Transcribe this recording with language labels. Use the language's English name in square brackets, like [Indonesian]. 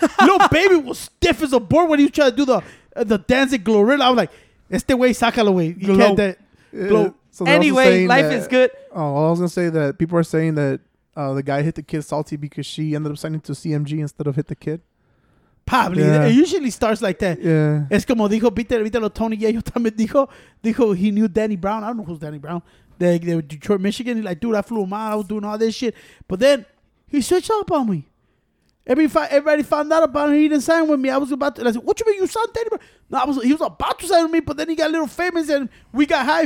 [English] Lil Baby was stiff as a board when he was trying to do the dancing Glorilla. I was like, [Spanish] este way, sácalo way. [English] You can't dance. So anyway, life is good. Oh, I was going to say that people are saying that the guy Hit the Kid salty because she ended up signing to CMG instead of Hit the Kid. Probably. Yeah. It usually starts like that. Yeah. [Spanish] Es como dijo, viste lo Tony Yeo también dijo. Dijo [English] he knew Danny Brown. I don't know who's Danny Brown. They were Detroit, Michigan. He's like, dude, I flew him out. I was doing all this shit. But then he switched up on me. Everybody found out about him. He didn't sign with me. I was about to. I said, what you mean you signed Danny Brown? No, he was about to sign with me, but then he got a little famous and we got high.